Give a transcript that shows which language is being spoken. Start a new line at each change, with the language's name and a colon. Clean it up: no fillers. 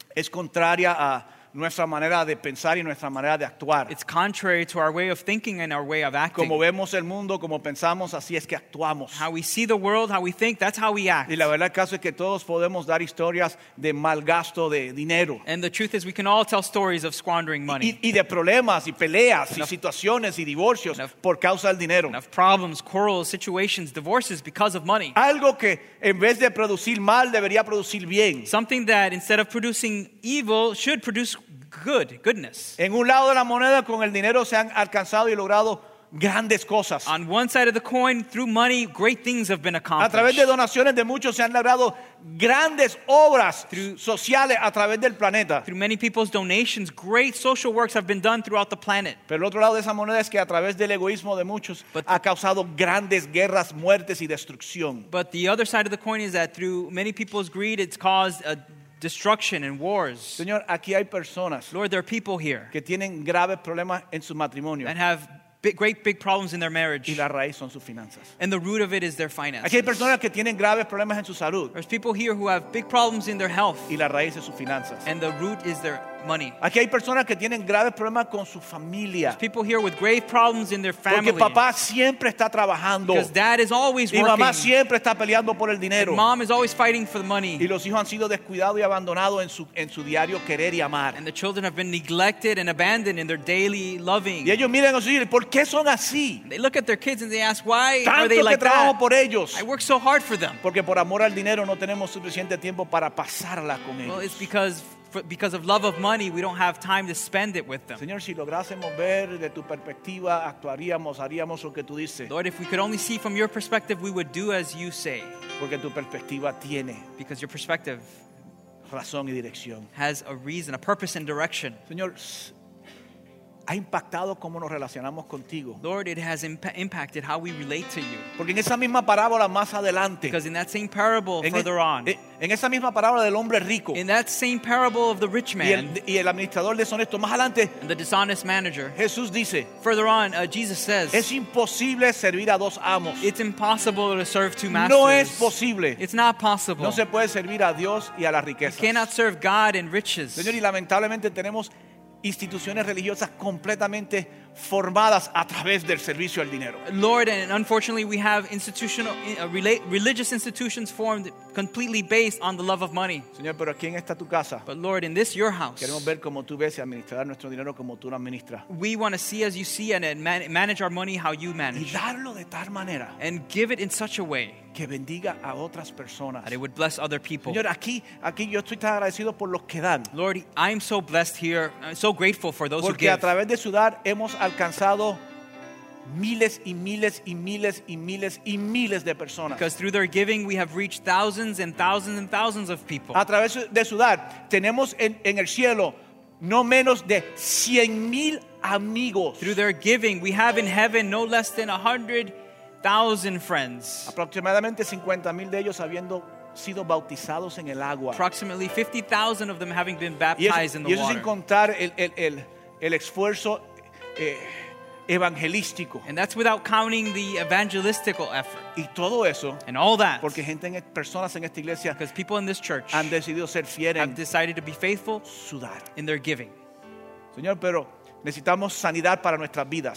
Spanish: Es contraria a nuestra manera de pensar y nuestra manera de actuar.
English: It's contrary to our way of thinking and our way of acting.
Spanish: Como vemos el mundo, como pensamos, así es que actuamos.
English: How we see the world, how we think, that's how we act.
Spanish: Y la verdad, el caso es que todos podemos dar historias de mal gasto de dinero.
English: And the truth is, we can all tell stories of squandering money.
Spanish: Y de problemas y peleas y situaciones y divorcios por causa del dinero.
English: Of problems, quarrels, situations, divorces because of money.
Spanish: Algo que en vez de producir mal debería producir bien.
English: Something that instead of producing evil should produce goodness.
Spanish: En un lado de la moneda, con el dinero se han alcanzado y logrado grandes cosas.
English: On one side of the coin, through money, great things have been accomplished.
Spanish: A través de donaciones de muchos se han logrado grandes obras sociales a través del planeta.
English: Through many people's donations, great social works have been done throughout the planet.
Spanish: Pero el otro lado de esa moneda es que a través del egoísmo de muchos ha causado grandes guerras, muertes y destrucción.
English: But the other side of the coin is that through many people's greed, it's caused a destruction and wars.
Spanish: Señor, aquí hay personas,
English: Lord, there are people here
Spanish: que tienen graves problemas en su matrimonio,
English: and have big problems in their marriage.
Spanish: Y la raíz son sus finanzas.
English: And the root of it is their finances.
Spanish: Aquí hay personas que tienen graves problemas en su salud.
English: There's people here who have big problems in their health.
Spanish: Y la raíz es sus finanzas.
English: And the root is their money.
Spanish: Aquí hay personas que tienen graves problemas con su familia.
English: There's people here with grave problems in their family.
Spanish: Porque papá siempre está trabajando.
English: Because dad is always working.
Spanish: Y mamá siempre está peleando por el dinero.
English: And mom is always fighting for the money.
Spanish: Y los hijos han sido descuidados y abandonados en su diario querer y amar.
English: And the children have been neglected and abandoned in their daily loving.
Spanish: Y ellos miran a sus hijos, ¿por qué son así?
English: They look at their kids and they ask, why
Spanish: tanto
English: are they like
Spanish: trabajo
English: that?
Spanish: Por ellos.
English: I work so hard for them.
Spanish: Porque por amor al dinero no tenemos suficiente tiempo para pasarla con ellos.
English: Well, it's because of love of money, we don't have time to spend it with them.
Spanish: Señor, si lográsemos ver de tu perspectiva, actuaríamos, haríamos lo que tú dices.
English: Lord, if we could only see from your perspective, we would do as you say.
Spanish: Porque tu perspectiva tiene
English: because your perspective
Spanish: razón y dirección.
English: Has a reason, a purpose and direction.
Spanish: Señor, ha impactado cómo nos relacionamos contigo.
English: Lord, it has impacted how we relate to you.
Spanish: Porque en esa misma parábola más adelante.
English: Because in that same parable further on.
Spanish: En esa misma parábola del hombre rico.
English: In that same parable of the rich man.
Spanish: Y el administrador deshonesto más adelante.
English: And the dishonest manager.
Spanish: Jesús dice.
English: Further on, Jesus says.
Spanish: Es imposible servir a dos amos.
English: It's impossible to serve two masters.
Spanish: No es posible.
English: It's not possible.
Spanish: No se puede servir a Dios y a las riquezas.
English: You cannot serve God and riches.
Spanish: Señor, y lamentablemente tenemos instituciones religiosas completamente formadas a través del servicio al dinero.
English: Lord, and unfortunately we have institutional religious institutions formed completely based on the love of money.
Spanish: Señor, pero aquí en esta tu casa.
English: But Lord, in this your house.
Spanish: Queremos ver cómo tú ves y administrar nuestro dinero como tú lo administras.
English: We want to see as you see and manage our money how you manage.
Spanish: Y darlo de tal manera.
English: And give it in such a way
Spanish: que bendiga a otras personas.
English: That it would bless other people.
Spanish: Señor, aquí yo estoy tan agradecido por los que dan.
English: Lord, I'm so blessed here. I'm so grateful for those
Spanish: porque
English: who give.
Spanish: Porque a través de su dar hemos alcanzado miles y miles y miles y miles y miles de personas.
English: Because through their giving we have reached thousands and thousands and thousands of people.
Spanish: A través de su dar tenemos en el cielo no menos de 100,000 amigos.
English: Through their giving we have in heaven no less than 100,000 friends.
Spanish: Aproximadamente 50,000 de ellos habiendo sido bautizados en el agua.
English: Approximately 50,000 of them having been baptized
Spanish: y eso,
English: in the water.
Spanish: Y eso sin contar el esfuerzo evangelístico.
English: And that's without counting the evangelistical effort.
Spanish: Y todo eso,
English: and all that.
Spanish: Porque gente en, personas en esta iglesia,
English: because people in this church
Spanish: han decidido ser fieles,
English: have decided to be faithful
Spanish: sudar.
English: In their giving.
Spanish: Señor, pero necesitamos sanidad para nuestras vidas.